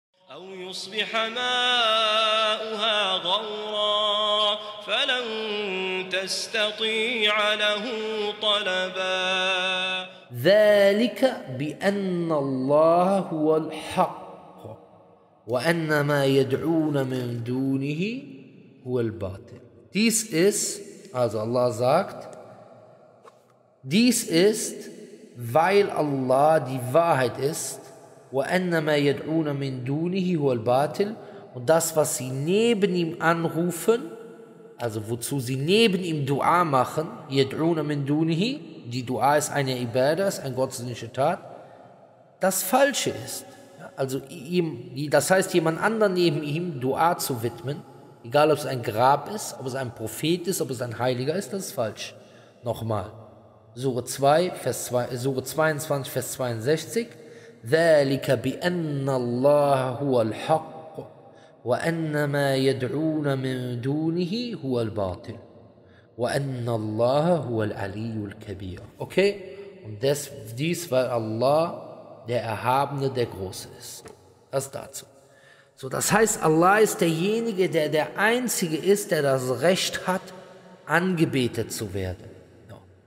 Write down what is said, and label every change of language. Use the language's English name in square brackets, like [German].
[Arabic] أو يصبح ماؤها غورا فلن تستطيع له طلبا ذلك بأن الله هو الحق وأن ما يدعون من دونه هو الباطل. [German] Dies ist, also Allah sagt, dies ist, weil Allah die Wahrheit ist. Und das, was sie neben ihm anrufen, also wozu sie neben ihm Dua machen, [Arabic] يدعون من دونه, [German] die Dua ist eine Ibadah, ist eine gottesdienliche Tat, das Falsche ist. Also ihm, das heißt, jemand anderen neben ihm Dua zu widmen, egal ob es ein Grab ist, ob es ein Prophet ist, ob es ein Heiliger ist, das ist falsch. Nochmal, Sura 22, Vers 62, [Arabic] ذلك بأن الله هو الحق وأن ما يدعون من دونه هو الباطل وأن الله هو العلي الكبير. [German] Okay, und dies, weil Allah der Erhabene, der Große ist. Das dazu. So, das heißt, Allah ist derjenige, der Einzige ist, der das Recht hat, angebetet zu werden. No.